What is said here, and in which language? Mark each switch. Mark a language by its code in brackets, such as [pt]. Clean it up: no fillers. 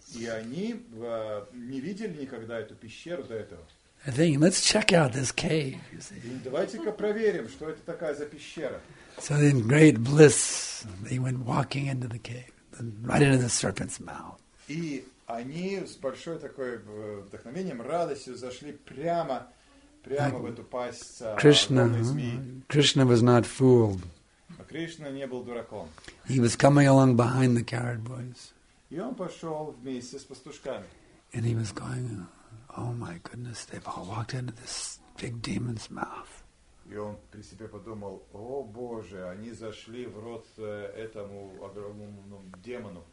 [ru] И они не видели никогда эту пещеру до этого. [en] I think, let's check out this cave. [ru] Давайте-ка проверим, что это такая за пещера. [en] So in great bliss, they went walking into the cave, right into the serpent's mouth. [ru] И они с большой такой вдохновением, радостью зашли прямо в эту пасть змеи. [en] Krishna was not fooled. [ru] А Кришна не был дураком. [en] He was coming along behind the carrot boys. [ru] И он пошел вместе с пастушками. [en] And he was going. Oh my goodness, they've all walked into this big demon's mouth. [ru] И он при себе подумал, о боже, они зашли в рот этому огромному демону.